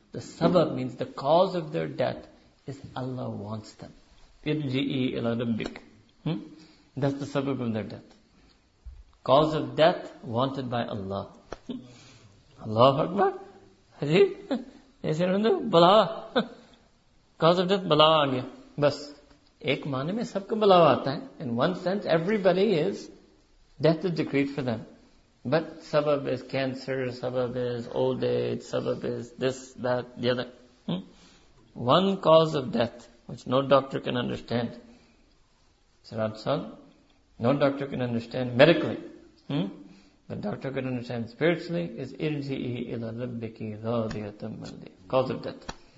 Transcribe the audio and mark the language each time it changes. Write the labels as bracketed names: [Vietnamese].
[English] The sabab means the cause of their death is Allah wants them. [Arabic] Irji'i ila rabbik. [English] That's the sabab of their death. Cause of death wanted by Allah. Allahu Akbar. [Urdu] Balawa. [English] Cause of death، [Urdu] بلاوا آگیا۔ Bas. ایک معنے میں سبکو بلاوا آتا ہے۔ [English] In one sense, everybody is. Death is decreed for them. But sabab is cancer, sabab is old age, sabab is this, that, the other. One cause of death, which no doctor can understand. Sirat Sal, no doctor can understand medically. The doctor can understand spiritually is [Arabic] irji'i ila rabbiki radiyatan mardiyah. [English] Cause of death.